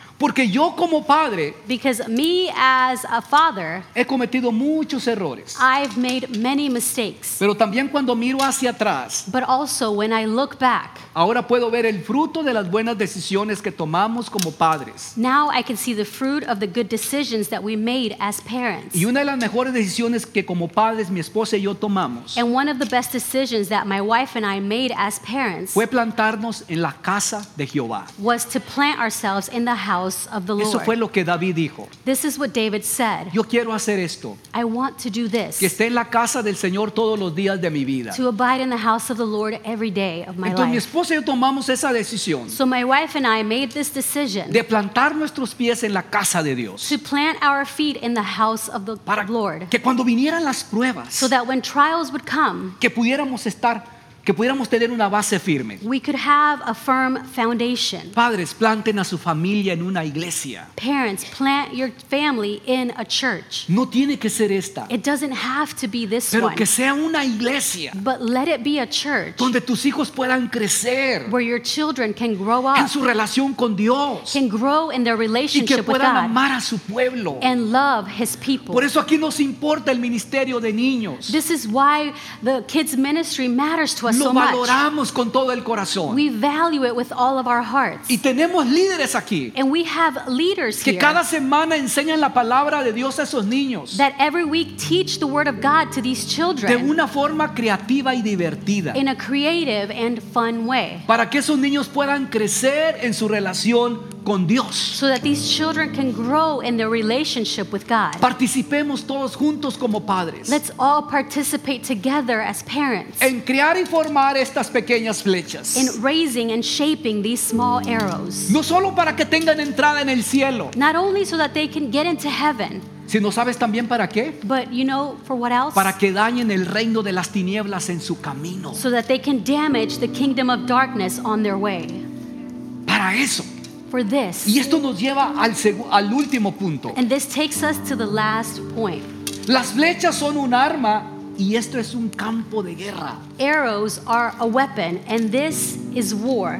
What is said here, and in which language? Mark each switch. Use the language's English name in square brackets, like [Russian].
[Spanish] Porque yo como padre, [English] because me as a father, [Spanish] he cometido muchos errores. [English] I've made many mistakes. [Spanish] Pero también cuando miro hacia atrás, [English] but also when I look back, [Spanish] ahora puedo ver el fruto de las buenas decisiones que tomamos como padres. [English] Now I can see the fruit of the good decisions that we made as parents. [Spanish] Y una de las mejores decisiones que como padres mi esposa y yo tomamos, [English] and one of the best decisions that my wife and I made as parents, [Spanish] fue plantarnos en la casa de Jehová. [English] Was to plant ourselves in the house of the Lord. [Spanish] Eso fue lo que David dijo. [English] This is what David said. [Spanish] Yo quiero hacer esto. [English] I want to do this. [Spanish] Que esté en la casa del Señor todos los días de mi vida. [English] To abide in the house of the Lord every day of my [Spanish] Entonces, [English] life. [Spanish] Mi esposa y yo tomamos esa decisión. [English] So my wife and I made this decision. [Spanish] De plantar nuestros pies en la casa de Dios. [English] To plant our feet in the house of the [Spanish] Para [English] Lord. [Spanish] Que cuando vinieran las pruebas. [English] So that when trials would come. [Spanish] Que pudiéramos tener una base firme. [English] We could have a firm foundation. [Spanish] Padres, planten a su familia en una iglesia. [English] Parents, plant your family in a church. [Spanish] No tiene que ser esta. [English] It doesn't have to be this [Spanish] Pero [English] one. [Spanish] Que sea una iglesia. [English] But let it be a church. [Spanish] Donde tus hijos puedan crecer. [English] Where your children can grow up. [Spanish] En su relación con Dios. [English] Can grow in their relationship with God. [Spanish] Y que puedan amar a su pueblo. [English] And love his people. [Spanish] Por eso aquí nos importa el ministerio de niños. [English] This is why the kids ministry matters to us. [Spanish] Lo valoramos con todo el corazón. [English] We value it with all of our hearts. [Spanish] Y tenemos líderes aquí. [English] And we have leaders here. [Spanish] Que cada semana enseñan la palabra de Dios a esos niños. [English] That every week teach the word of God to these children. [Spanish] De una forma creativa y divertida. [English] In a creative and fun way. [Spanish] Para que esos niños puedan crecer en su relación con Dios. [English] So that these children can grow in their relationship with God. [Spanish] Participemos todos juntos como padres. [English] Let's all participate together as parents. [Spanish] En crear y formar estas pequeñas flechas. [English] In raising and shaping these small arrows. [Spanish] No solo para que tengan entrada en el cielo. [English] Not only so that they can get into heaven. [Spanish] Sino sabes también para qué? [English] But you know for what else? [Spanish] Para que dañen el reino de las tinieblas en su camino. [English] So that they can damage the kingdom of darkness on their way. [Spanish] Para eso. [English] For this. [Spanish] Y esto nos lleva al último punto. [English] And this takes us to the last point. [Spanish] Las flechas son un arma y esto es un campo de guerra. [English] Arrows are a weapon and this is war.